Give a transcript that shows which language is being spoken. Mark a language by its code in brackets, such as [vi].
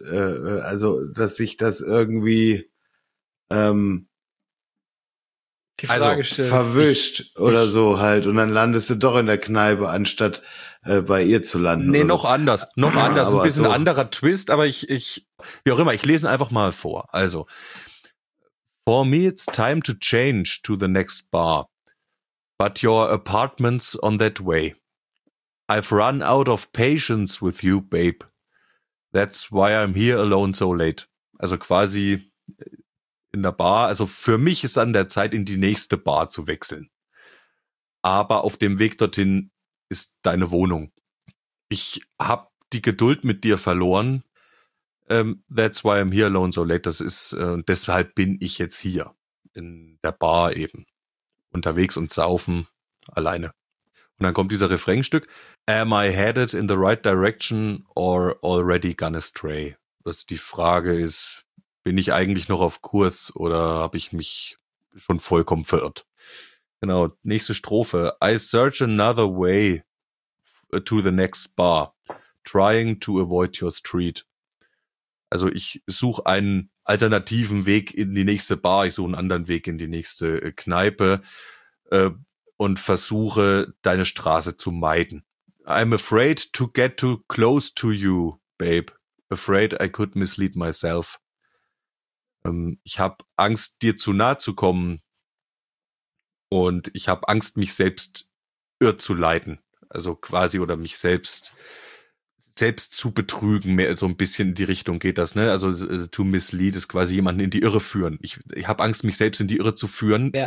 [de] Also, dass sich das irgendwie die Frage also stellt. Verwischt ich, oder ich, so halt und dann landest du doch in der Kneipe, anstatt bei ihr zu landen. Nee, noch anders. Noch anders. Ein bisschen so. Anderer Twist, aber ich, wie auch immer, ich lese einfach mal vor. [en] Also, for me it's time to change to the next bar. But your apartment's on that way. I've run out of patience with you, babe. That's why I'm here alone so late. [de] Also quasi in der Bar. Also für mich ist an der Zeit, in die nächste Bar zu wechseln. Aber auf dem Weg dorthin ist deine Wohnung. Ich hab die Geduld mit dir verloren. [en] That's why I'm here alone so late. [de] Das ist, deshalb bin ich jetzt hier in der Bar eben unterwegs und saufen alleine. Und dann kommt dieser Refrainstück. [en] Am I headed in the right direction or already gone astray? [de] Was die Frage ist, bin ich eigentlich noch auf Kurs oder habe ich mich schon vollkommen verirrt? Genau, nächste Strophe. [en] I search another way to the next bar, trying to avoid your street. [de] Also ich suche einen alternativen Weg in die nächste Bar, ich suche einen anderen Weg in die nächste Kneipe und versuche, deine Straße zu meiden. [en] I'm afraid to get too close to you, babe. Afraid I could mislead myself. [de] Ich habe Angst, dir zu nahe zu kommen. Und ich habe Angst, mich selbst irr zu leiten. Also quasi, oder mich selbst zu betrügen, mehr so ein bisschen in die Richtung geht das, ne? Also to mislead ist quasi jemanden in die Irre führen. Ich habe Angst, mich selbst in die Irre zu führen, ja.